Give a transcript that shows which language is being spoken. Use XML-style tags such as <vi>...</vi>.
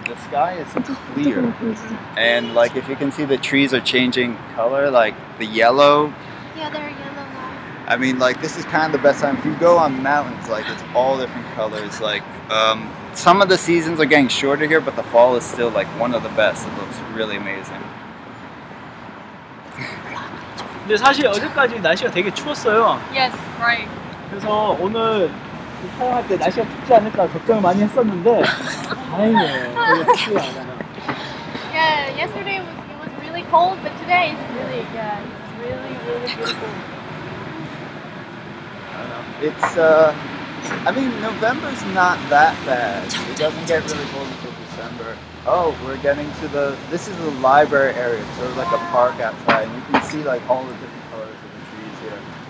<en>The sky is clear. And like, if you can see, the trees are changing color, like the yellow. Yeah, they're yellow now. I mean, like, this is kind of the best time. If you go on mountains, like, it's all different colors. Like, some of the seasons are getting shorter here, but the fall is still like one of the best. It looks really amazing.</en> <ko>근데 사실 어제까지 날씨가 되게 추웠어요.</ko> <en>Yes, right.</en> <ko>그래서 오늘 촬영할 때 날씨가 춥지 않을까 걱정을 많이 했었는데 다행이에요. 되게 춥지 않아요.</ko> <en>Yeah, yesterday it was really cold, but today is really, yeah, it's really, really beautiful. I don't know. It's, I mean, November's not that bad. It doesn't get really cold until December. Oh, we're getting to this is the library area, so there's like a park outside, and you can see like all the different colors of the trees here.</en>